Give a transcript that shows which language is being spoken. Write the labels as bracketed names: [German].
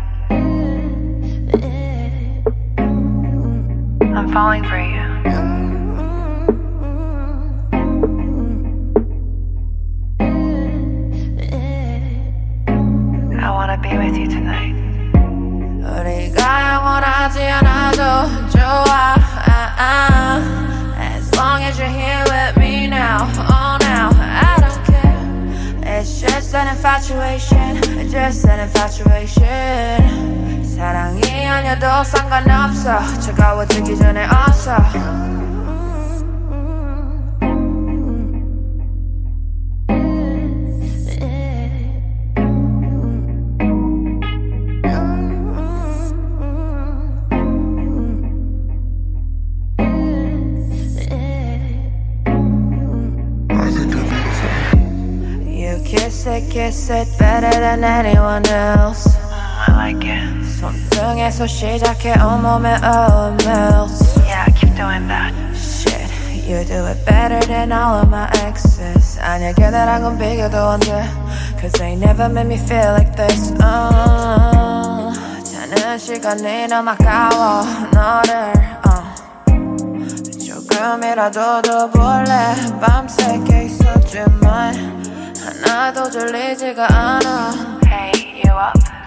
[English] I'm falling for you. I wanna be with you tonight. [Korean] 우리가 원하지 않아도 좋아. [English] As long as you're here with me now. Oh, now I don't care. It's just an infatuation. Just an infatuation. [Korean] 사랑이 아니어도 상관없어. 차가워지기 전에 어서. [English] Kiss it better than anyone else. I like it. [Korean] 손등에서 시작해 온몸에 [English] all melts. Yeah, keep doing that. Shit, you do it better than all of my exes. [Korean] 아니야, 걔네랑은 비교도 안 돼. [English] Cause they never made me feel like this. [Korean] 자는 시간이 너무 아까워 너를. 조금이라도 더 볼래. 밤새 깨 있었지만 나도 졸리지가 않아. [English] Hey, you up?